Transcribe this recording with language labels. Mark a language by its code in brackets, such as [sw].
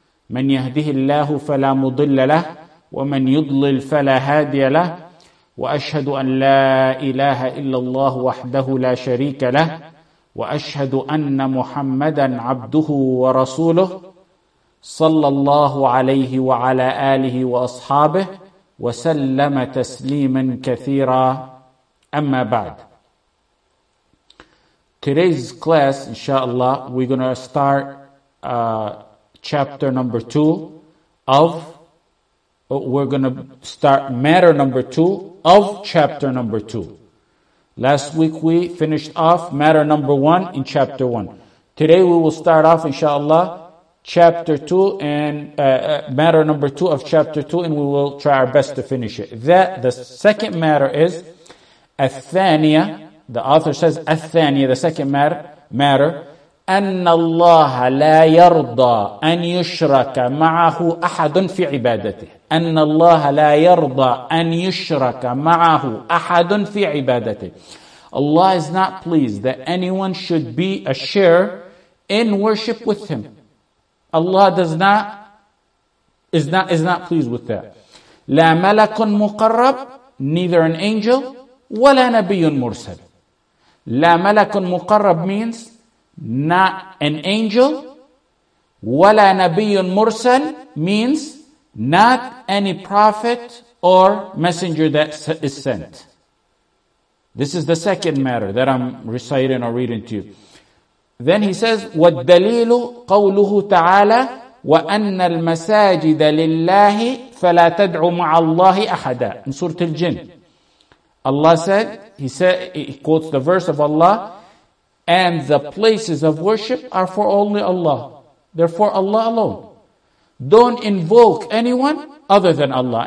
[ar] من يهده الله فلا مضل له ومن يضلل فلا هادي له، وأشهد أن لا إله إلا الله وحده لا شريك له، وأشهد أن محمدًا عبده ورسوله صلى الله عليه وعلى آله وأصحابه وسلم تسليما كثيرا، أما بعد. [en] Today's class, inshallah, we're going to start chapter number two of, we're going to start matter number two of chapter number two. Last week we finished off matter number one in chapter one. Today we will start off, inshallah, chapter 2 and matter number 2 of chapter 2, and we will try our best to finish it. That the second matter is الثانيه. The author says [ar] الثانيه, [en] the second matter, [ar] ان الله لا يرضى ان يشرك معه احد في عبادته. ان الله لا يرضى ان يشرك معه احد في عبادته. [en] Allah is not pleased that anyone should be a share in worship with him. Allah is not pleased with that. [ar] لا ملك مقرب, [en] neither an angel, [ar] ولا نبي مرسل. لا ملك مقرب [en] means not an angel, [ar] ولا نبي مرسل [en] means not any prophet or messenger that is sent. This is the second matter that I'm reciting or reading to you. Then he says, [ar] وَالدَّلِيلُ قَوْلُهُ تَعَالَى وَأَنَّ الْمَسَاجِدَ لِلَّهِ فَلَا تَدْعُ مَعَ اللَّهِ أَحَدًا. [en] In Surah Al-Jin, Allah said, he quotes the verse of Allah, and the places of worship are for only Allah. They're for Allah alone. Don't invoke anyone other than Allah.